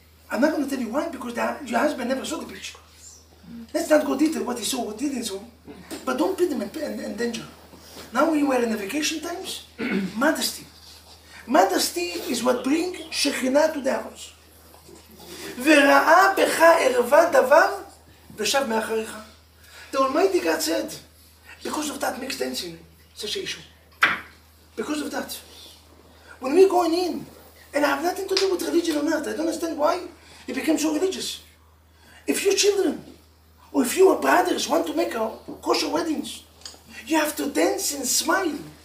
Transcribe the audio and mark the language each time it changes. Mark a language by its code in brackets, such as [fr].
[en] I'm not going to tell you why, because your husband never saw the beach. Let's not go detail what he saw, what he didn't saw. But don't put him in danger. Now we were in the vacation times, modesty. Modesty is what brings Shekhinah to the house. [he] וראה בך ערווה דבר ושב מאחריך. [en] The Almighty God said, because of that mixed dancing, such an issue. Because of that. When we're going in, and I have nothing to do with religion or not, I don't understand why it became so religious. If your children, or if your brothers want to make a kosher weddings, you have to dance and smile.